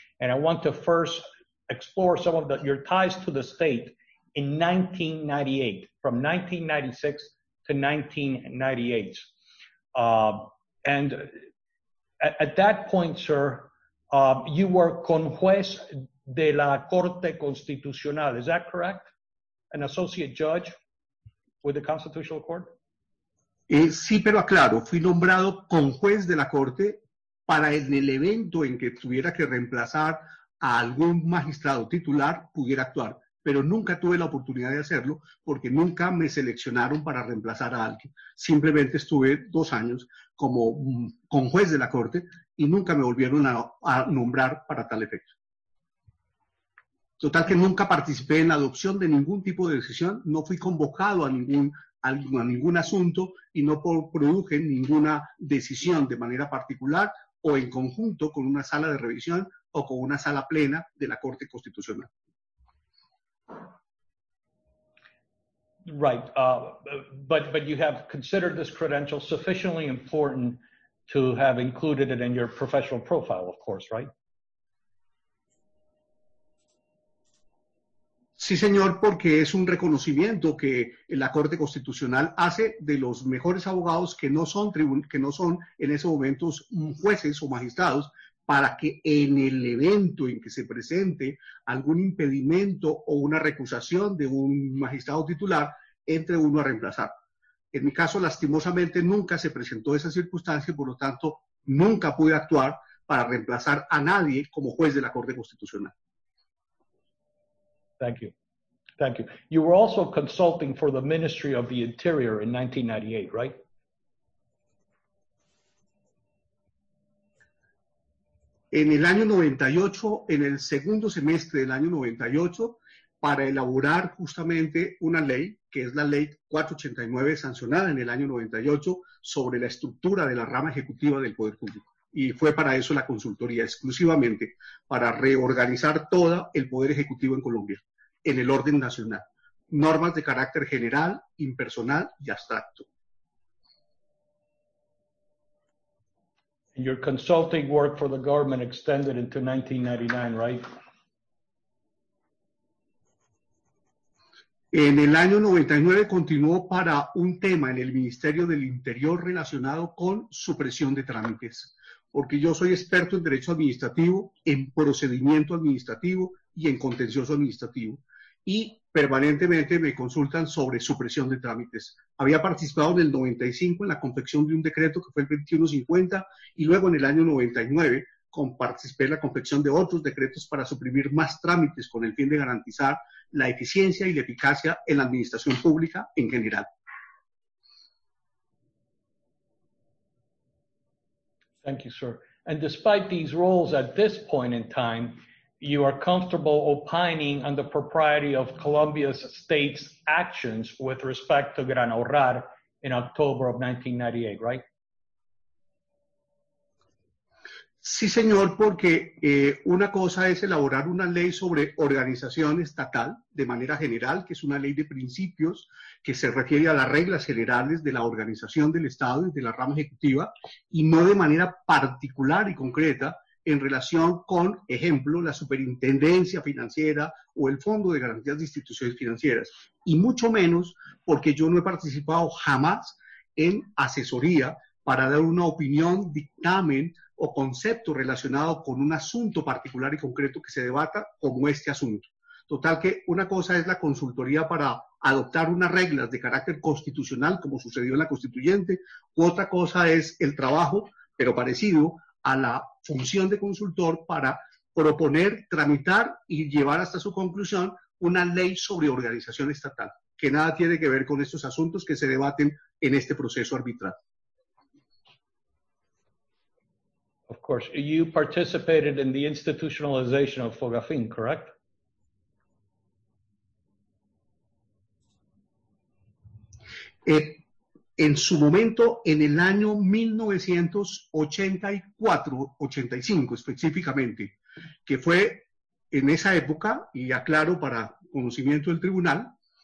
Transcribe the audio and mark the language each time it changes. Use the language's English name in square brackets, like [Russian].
[English] And I want to first explore some of your ties to the state in 1998, from 1996 to 1998. At that point, sir, you were [Spanish] con juez de la Corte Constitucional, [English] is that correct? An associate judge with the Constitutional Court? [Spanish] Sí, pero aclaro, fui nombrado con juez de la Corte para en el evento en que tuviera que reemplazar a algún magistrado titular pudiera actuar, pero nunca tuve la oportunidad de hacerlo porque nunca me seleccionaron para reemplazar a alguien. Simplemente estuve 2 años como con juez de la Corte y nunca me volvieron a nombrar para tal efecto. Total que nunca participé en la adopción de ningún tipo de decisión, no fui convocado a ningún asunto y no produje ninguna decisión de manera particular o en conjunto con una sala de revisión o con una sala plena de la Corte Constitucional. [English] Right, but you have considered this credential sufficiently important to have included it in your professional profile, of course, right? [Spanish] Sí, señor, porque es un reconocimiento que la Corte Constitucional hace de los mejores abogados que no son en esos momentos jueces o magistrados, para que en el evento en que se presente algún impedimento o una recusación de un magistrado titular, entre uno a reemplazar. En mi caso, lastimosamente, nunca se presentó esa circunstancia y, por lo tanto, nunca pude actuar para reemplazar a nadie como juez de la Corte Constitucional. [English] Thank you. Thank you. You were also consulting for the Ministry of the Interior in 1998, right? [Spanish] En el año 98, en el segundo semestre del año 98, para elaborar justamente una ley, que es la ley 489, sancionada en el año 98, sobre la estructura de la rama ejecutiva del Poder Público. Y fue para eso la consultoría, exclusivamente para reorganizar todo el Poder Ejecutivo en Colombia, en el orden nacional. Normas de carácter general, impersonal y abstracto. [English] Your consulting work for the government extended into 1999, right? [Spanish] En el año 99 continuó para un tema en el Ministerio del Interior relacionado con supresión de trámites, porque yo soy experto en derecho administrativo, en procedimiento administrativo y en contencioso administrativo, y permanentemente me consultan sobre supresión de trámites. Había participado en el 95 en la confección de un decreto que fue el 2150 y luego en el año 99 participé en la confección de otros decretos para suprimir más trámites con el fin de garantizar la eficiencia y la eficacia en la administración pública en general. [English] Thank you, sir. And despite these roles at this point in time, you are comfortable opining on the propriety of Colombia's state's actions with respect to Gran Ahorrar in October of 1998, right? [Spanish] Sí, señor, porque una cosa es elaborar una ley sobre organización estatal de manera general, que es una ley de principios que se refiere a las reglas generales de la organización del Estado y de la rama ejecutiva, y no de manera particular y concreta en relación con, ejemplo, la superintendencia financiera o el Fondo de Garantías de Instituciones Financieras, y mucho menos porque yo no he participado jamás en asesoría para dar una opinión, dictamen o concepto relacionado con un asunto particular y concreto que se debata como este asunto. Total que una cosa es la consultoría para adoptar unas reglas de carácter constitucional, como sucedió en la Constituyente, u otra cosa es el trabajo, pero parecido, a la función de consultor para proponer, tramitar y llevar hasta su conclusión una ley sobre organización estatal, que nada tiene que ver con estos asuntos que se debaten en este proceso arbitral. [English] Of course, you participated in the institutionalization of FOGAFIN, correct? [Spanish] En su momento, en el año 1984-85 específicamente, que fue en esa época, y aclaro para conocimiento del tribunal,